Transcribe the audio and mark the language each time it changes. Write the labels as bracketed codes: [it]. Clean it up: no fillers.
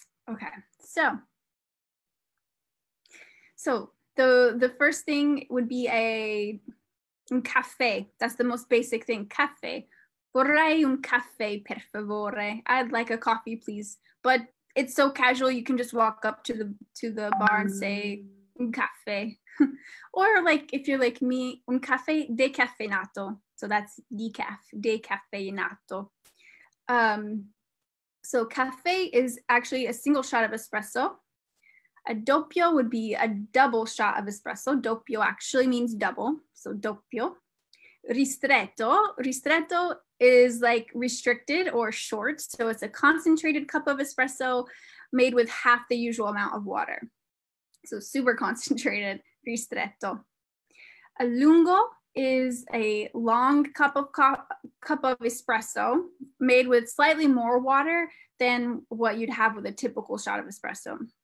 [en] Okay, so. So the first thing would be a caffè. That's the most basic thing, caffè. [it] Vorrei un caffè, per favore. [en] I'd like a coffee, please. But it's so casual, you can just walk up to the bar and say, un caffè. Or like, if you're like me, [it] un caffè decaffeinato. [en] So that's decaf, decaffeinato. So caffè is actually a single shot of espresso. A doppio would be a double shot of espresso. Doppio actually means double, so doppio. Ristretto. Ristretto is like restricted or short, so it's a concentrated cup of espresso made with half the usual amount of water. So super concentrated, ristretto. A lungo is a long cup of espresso made with slightly more water than what you'd have with a typical shot of espresso.